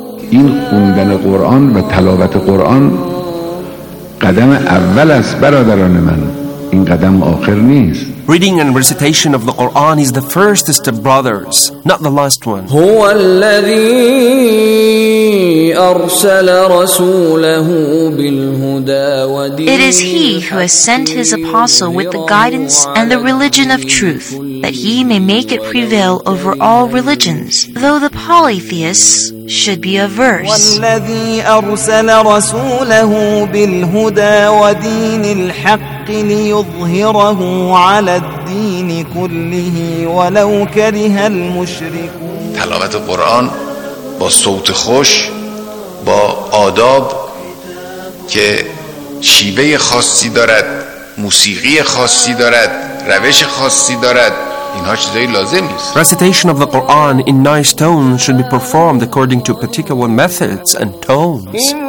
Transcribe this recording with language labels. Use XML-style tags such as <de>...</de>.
<fa>این خوندن قرآن و تلاوت قرآن قدم اول است برادران من این قدم آخر نیست.</fa> <en>Reading and recitation of the Quran is the first step, brothers, not the last one.</en> <ar>هو الذي أرسل رسوله بالهدى ودين.</ar> <en>It is he who has sent his apostle with the guidance and the religion of truth, that he may make it prevail over all religions. Though the polytheists should be a verse.</en> <ar>وَالَّذِي أَرْسَلَ رَسُولَهُ بِالْهُدَى وَدِينِ الْحَقِّ لِيُظْهِرَهُ عَلَى الدِّينِ كُلِّهِ وَلَوْ كَرِهَ الْمُشْرِكُونَ.</ar> <fa>تلاوت قرآن با صوت خوش، با آداب که شیوه خاصی دارد، موسیقی خاصی دارد، روش خاصی دارد، اینها چیزایی لازم نیست.</fa> <en>Recitation of the Quran in nice tones should be performed according to particular methods and tones.</en>